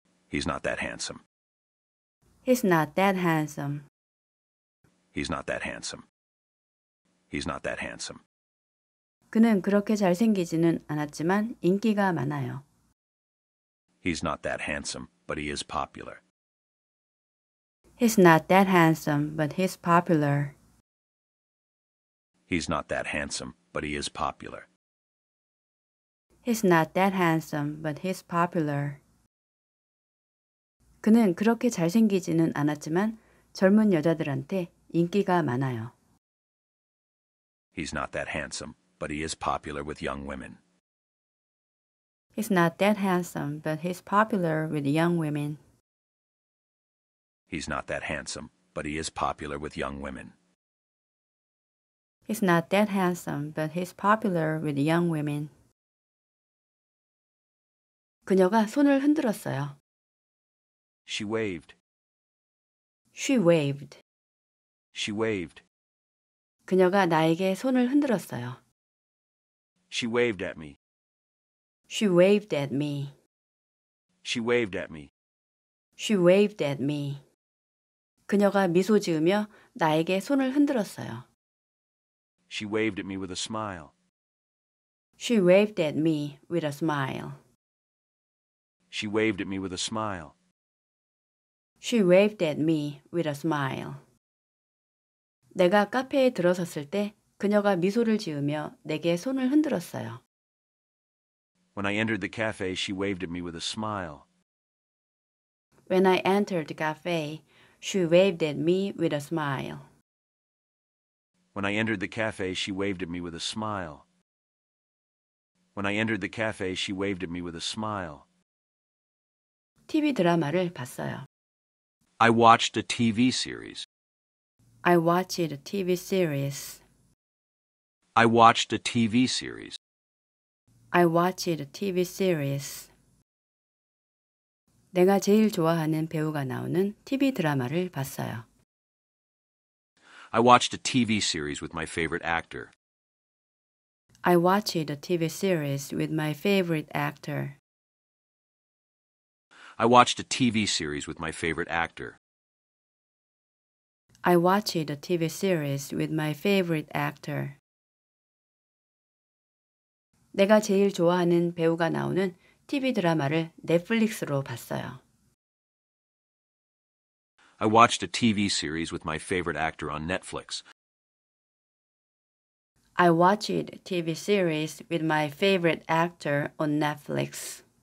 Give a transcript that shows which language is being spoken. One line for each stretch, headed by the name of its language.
English: He's not that handsome. He's not that handsome. He's not that handsome. He's not that handsome.
Korean: 그는 그렇게 잘생기지는 않았지만 인기가 많아요.
English: He's not that handsome, but he is popular. He's not that handsome, but he's popular. He's not that handsome, but he is popular. He's not that handsome, but he's popular.
Korean: 그는 그렇게 잘생기지는 않았지만 젊은 여자들한테 인기가 많아요.
English: He's not that handsome, but he is popular with young women. He's not that handsome, but he's popular with young women. He's not that handsome, but he is popular with young women. He's not that handsome, but he's popular with young women.
Korean: 그녀가 손을 흔들었어요.
English: She waved. She waved. She waved.
Korean: 그녀가 나에게 손을 흔들었어요.
English: She waved at me. She waved at me. She waved at me. She waved at me.
Korean: 그녀가 미소 지으며 나에게 손을 흔들었어요.
English: She waved at me with a smile. She waved at me with a smile. She waved at me with a smile. She waved at me with a smile.
Korean: 내가 카페에 들어섰을 때 그녀가 미소를 지으며 내게 손을 흔들었어요.
English: When I entered the cafe, she waved at me with a smile. When I entered the cafe, she waved at me with a smile. When I entered the cafe, she waved at me with a smile. When I entered the cafe, she waved at me with a smile.
Korean: TV 드라마를 봤어요.
English: I watched a TV series. I watched a TV series. I watched a TV series. I watched a TV series.
Korean: 내가 제일 좋아하는 배우가 나오는 TV 드라마를 봤어요.
English: I watched a TV series with my favorite actor. I watched a TV series with my favorite actor. I watched a TV series with my favorite actor. I watched a TV series with my favorite actor.
Korean: 내가 제일 좋아하는 배우가 나오는 TV 드라마를 넷플릭스로 봤어요.
English: I watched a TV series with my favorite actor on Netflix. I watched a TV series with my favorite actor on Netflix.